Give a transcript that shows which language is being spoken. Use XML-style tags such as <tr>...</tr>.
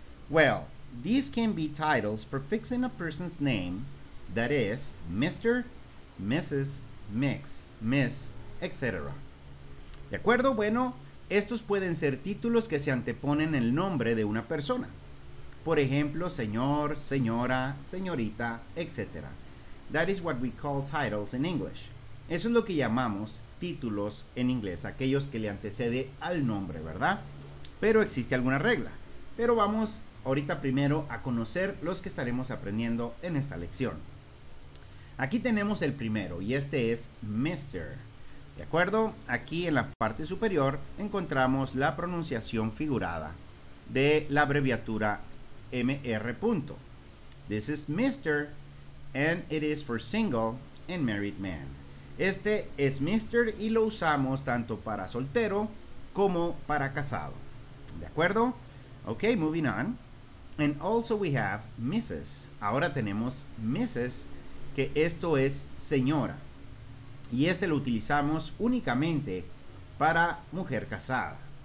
<en>Well, these can be titles prefixing a person's name, that is, Mr., Mrs., Mix, Miss, etc.</en> <es>¿De acuerdo? Bueno, estos pueden ser títulos que se anteponen el nombre de una persona. Por ejemplo, señor, señora, señorita, etc.</es> <en>That is what we call titles in English.</en> <es>Eso es lo que llamamos títulos en inglés, aquellos que le antecede al nombre, ¿verdad? Pero existe alguna regla. Pero vamos ahorita primero a conocer los que estaremos aprendiendo en esta lección. Aquí tenemos el primero y este es Mr. ¿De acuerdo? Aquí en la parte superior encontramos la pronunciación figurada de la abreviatura MR.</es> <en>This is Mr. and it is for single and married man.</en> <es>Este es Mr. y lo usamos tanto para soltero como para casado. ¿De acuerdo?</es> <en>Ok, moving on. And also we have Mrs.</en> <es>Ahora tenemos Mrs., que esto es señora. Y este lo utilizamos únicamente para mujer casada.</es>